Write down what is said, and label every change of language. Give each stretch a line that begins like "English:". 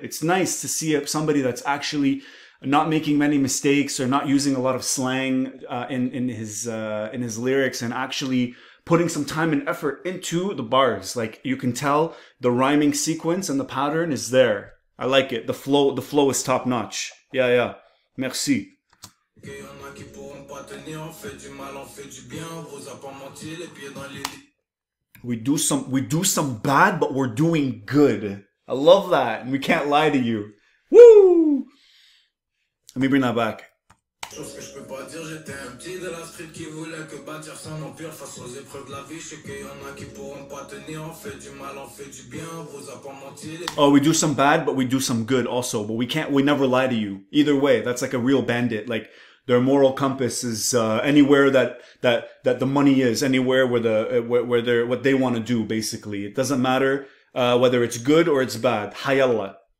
English: It's nice to see somebody that's actually not making many mistakes or not using a lot of slang in his lyrics and actually putting some time and effort into the bars. Like, you can tell the rhyming sequence and the pattern is there. I like it. The flow is top notch. Yeah, yeah. Merci.
French: Que y en a qui pourront pas tenir, on fait du mal, on fait du bien, on vous a pas menti, les pieds dans les lits.
English: We do some bad, but we're doing good. I love that. And we can't lie to you. Woo! Let me bring that back.
French: Chose que je peux pas dire, j'étais un petit de la street qui voulait que bâtir son empire face aux épreuves de la vie. Je sais qu'il y en a qui pourront pas tenir, on fait du mal, on fait du bien, on vous a pas menti.
English: Oh, we do some bad, but we do some good also. But we never lie to you. Either way, that's like a real bandit. Like, their moral compass is anywhere that the money is, anywhere where what they want to do, basically. It doesn't matter whether it's good or it's bad. Hayalla.